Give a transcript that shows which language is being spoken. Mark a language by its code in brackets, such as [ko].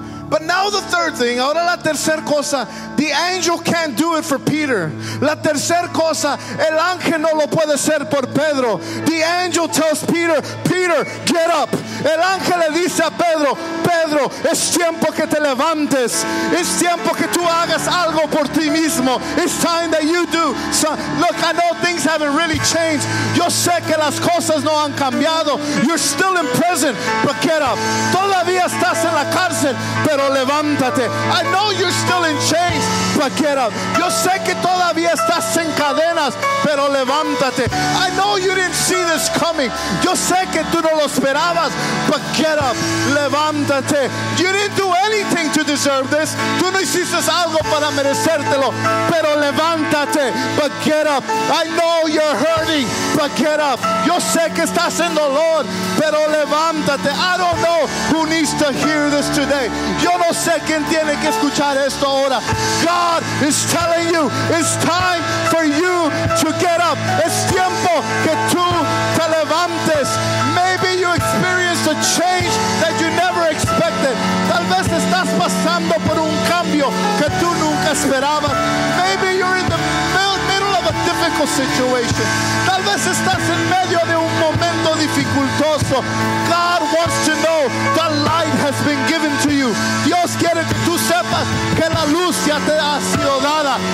[en] But now the third thing, [es] ahora la tercera cosa, [en] the angel can't do it for Peter. [es] La tercera cosa, el ángel no lo puede hacer por Pedro. [en] The angel tells Peter, Peter, get up. [es] El ángel le dice a Pedro, Pedro, es tiempo que te levantes. Es tiempo que tú hagas algo por ti mismo. [en] It's time that you do. So, look, I know things haven't really changed. [es] Yo sé que las cosas no han cambiado. [en] You're still in prison, but get up. [es] Todavía estás en la cárcel, pero levántate. [en] I know you're still in chains, but get up. [es] Yo sé que todavía estás en cadenas, pero levántate. [en] I know you didn't see this coming. [es] Yo sé que tú no lo esperabas, [en] but get up. [es] Levántate. [en] You didn't do anything to deserve this. [es] Tú no hiciste algo para merecértelo, pero levántate. [en] But get up. I know you're hurting, but get up. [es] Yo sé que estás en dolor, pero levántate. [en] I don't know who needs to hear this today. [es] Yo no sé quién tiene que escuchar esto ahora. [en] God is telling you, it's time for you to get up. [es] Es tiempo que tú te levantes. [en] Maybe you experienced a change that you never expected. [es] Tal vez estás pasando por un cambio que tú nunca esperabas. [en] Maybe you're in the middle of a difficult situation. [es] Tal vez estás en medio de un momento dificultoso. [en] God wants to know that light has been given to you. [es] Dios quiere que tú sepas que la luz ya te ha sido dada.